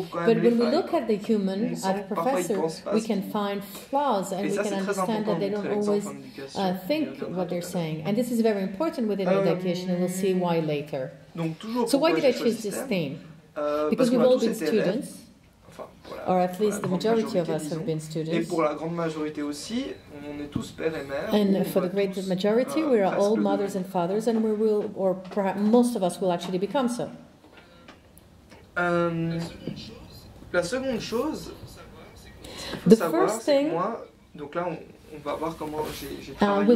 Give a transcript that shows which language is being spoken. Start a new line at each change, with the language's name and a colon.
English: But when we look at the human, at a professor, we can find flaws, and we can understand that they don't always think what they're saying. And this is very important within education, and we'll see why later. So why did I choose this theme? Because we've all been students. Or at least the majority of us have been students.
French: Et pour la grande majorité aussi, on est tous père et mère.
English: And for the great majority, we are all mothers and fathers, and we will, or perhaps most of us will actually become so.
French: La seconde chose,
English: the first thing, we'll